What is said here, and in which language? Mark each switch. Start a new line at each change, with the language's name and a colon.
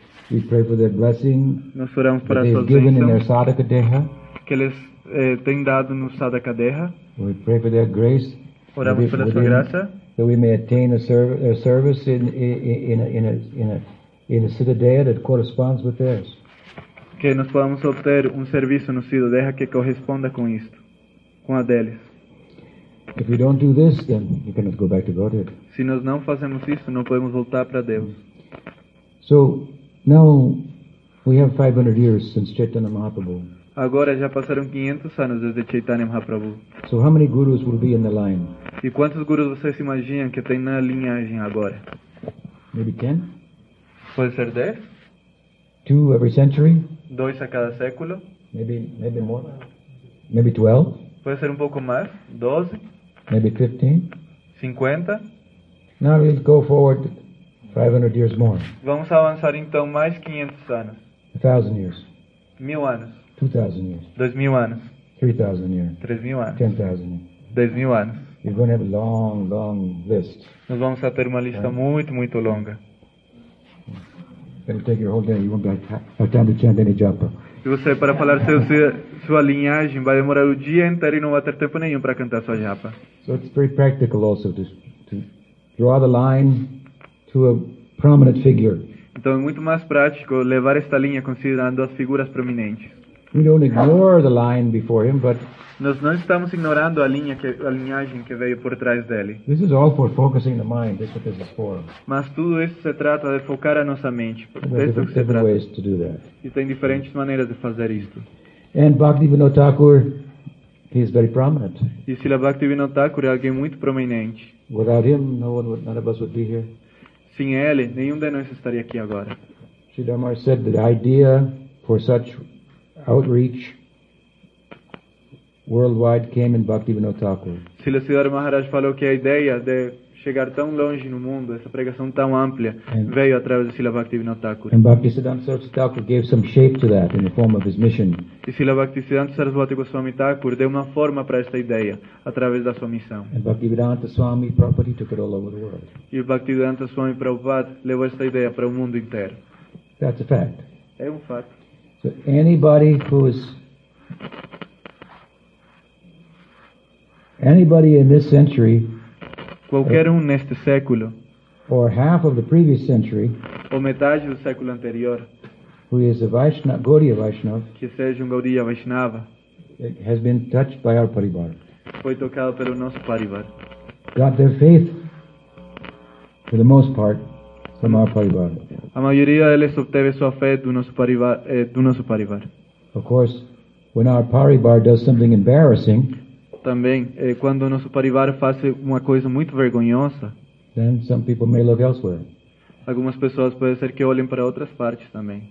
English: We pray for their blessing.
Portuguese: Nós oramos para sua bênção.
English: In their sadhaka deha.
Portuguese: Que eles têm dado no sadhaka deha.
English: We pray for their grace.
Portuguese: Oramos pela sua graça.
English: That we may attain a service in a Siddha Deha that corresponds with theirs.
Portuguese: Que nós podamos obter serviço no Siddha Deha que corresponda com isto, com a deles.
English: If we don't do this, then we cannot go back to Godhead.
Portuguese: Se nós não fazemos isso, não podemos voltar para Deus.
English: So now we have 500 years since Chaitanya Mahaprabhu.
Portuguese: Agora já passaram 500 anos desde Chaitanya Mahaprabhu.
English: So how many gurus will be in the line?
Portuguese: E quantos gurus vocês imaginam que tem na linhagem agora?
English: Maybe 10?
Portuguese: Pode ser 10?
English: 2 every century?
Portuguese: 2 a cada século?
English: Maybe more? Maybe 12?
Portuguese: Pode ser um pouco mais? 12?
English: Maybe 15?
Portuguese: 50?
English: Now we'll go forward 500 years more.
Portuguese: Vamos avançar então mais 500 anos.
English: 1000 years.
Portuguese: 1000 anos.
English: 2000 years.
Portuguese: 2000 anos.
English: 3000 years.
Portuguese: 3000 anos.
English: 10000 years.
Portuguese: 10000 anos.
English: We're going to have a long, long list.
Portuguese: Nós vamos ter uma lista muito, muito longa.
English: It'll take your whole day. You won't have time to chant any japa.
Portuguese: E você, para falar sua linhagem, vai demorar o dia inteiro e não vai ter tempo nenhum para cantar sua japa.
English: So it's very practical also to draw the line to a prominent figure.
Portuguese: Então é muito mais prático levar esta linha considerando as figuras prominentes.
English: We don't ignore the line before him, but
Portuguese: nós não estamos ignorando a linhagem que veio por trás dele.
English: This is all for focusing the mind. That's what this is for.
Portuguese: Mas tudo isso se trata de focar a nossa mente.
English: Different ways to do that.
Portuguese: E tem diferentes maneiras de fazer isto.
English: And Bhaktivinoda Thakur, he is very prominent.
Portuguese: E Srila Bhaktivinoda Thakur é alguém muito prominente.
English: Without him, none of us would be here.
Portuguese: Sem ele, nenhum de nós estaria aqui agora.
English: Srila Dharmar said that the idea for such outreach worldwide came in Bhaktivinoda Thakur.
Portuguese: Srila Siddhartha Maharaj falou que a ideia de chegar tão longe no mundo, essa pregação tão ampla, veio através de Srila Bhaktivinoda Thakur.
English: And Bhaktisiddhanta Saraswati Thakur gave some shape to that in the form of his mission.
Portuguese: E Srila Bhaktisiddhanta Saraswati Goswami Thakur deu uma forma para esta ideia através da sua missão.
English: And Bhaktivedanta Swami Prabhupada took it all over the world.
Portuguese: E Bhaktivedanta Swami Prabhupada levou esta ideia para o mundo inteiro.
English: That's a fact.
Portuguese: É um fato.
English: So anybody who is anybody in this century,
Portuguese: qualquer um neste século,
English: or half of the previous century,
Portuguese: ou metade do século anterior,
English: who is a Vaishnava, Gaudiya Vaishnava,
Portuguese: que seja Gaudiya Vaishnava,
English: has been touched by our Parivar,
Portuguese: foi tocado pelo nosso Parivar,
English: got their faith, for the most part, from our Parivar.
Portuguese: A maioria deles obteve sua fé do nosso Parivar.
English: Of course, when our Parivar does something embarrassing,
Portuguese: também, quando o nosso Parivar faz uma coisa muito vergonhosa,
English: then some people may look elsewhere.
Portuguese: Algumas pessoas podem ser que olhem para outras partes também.